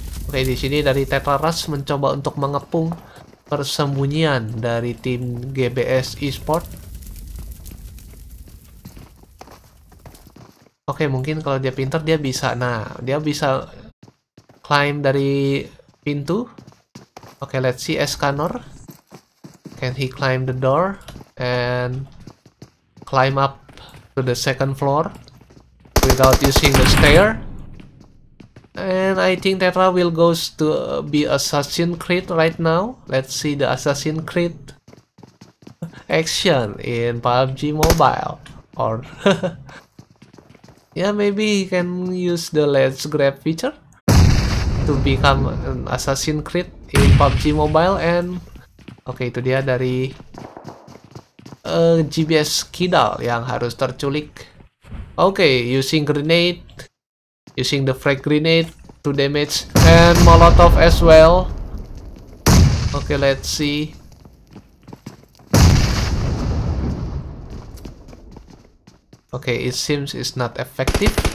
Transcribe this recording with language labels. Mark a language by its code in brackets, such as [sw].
[id] Okay, di sini dari Tetra Rush mencoba untuk mengepung persembunyian dari tim GBS Esports. Oke, mungkin kalau dia pintar dia bisa. Nah, dia bisa climb dari pintu. [en] Oke, let's see Escanor. Can he climb the door and climb up to the second floor without using the stair? And I think Tetra will goes to be Assassin's Creed right now. Let's see the Assassin's Creed action in PUBG Mobile or yeah, maybe he can use the Let's Grab feature to become an Assassin's Creed in PUBG Mobile. [id] And okay, itu dia dari GBS Kidal yang harus terculik. [en] Okay, using grenade, using the frag grenade to damage, and Molotov as well. Okay, let's see. Okay, it seems it's not effective.